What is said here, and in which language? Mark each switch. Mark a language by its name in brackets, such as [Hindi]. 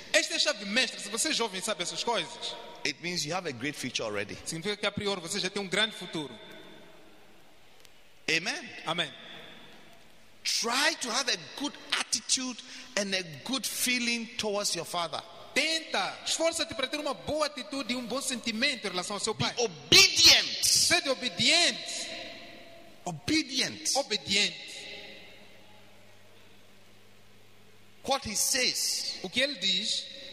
[Portuguese] Esta é a chave mestra. Se você é jovem e sabe essas coisas. [English] It means you have a great future already. [Portuguese] Significa que a priori você já tem grande futuro. [English] Amen. Amen. Try to have a good attitude and a good feeling towards your father. [Portuguese] Tenta, esforça-te para ter uma boa atitude e bom sentimento em relação ao seu pai. [English] Be obedient. [Portuguese] Seja obediente. [English] Obedient. Obedient. What he says, [Portuguese] o que ele diz,